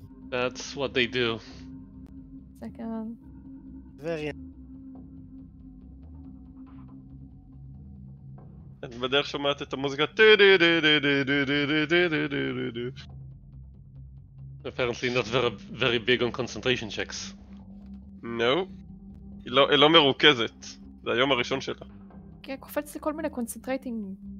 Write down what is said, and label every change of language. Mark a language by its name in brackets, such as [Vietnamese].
[English] That's what they do. Second. Very. [Hebrew] את בדרך שומעת את המוזיקה טו דו דו דו דו דו דו דו דו דו דו דו דו דו. [English] Apparently not very big on concentration checks. No. [Hebrew] היא לא מרוכזת. זה היום הראשון שלה. כן, קופץ לי כל מיני concentrating.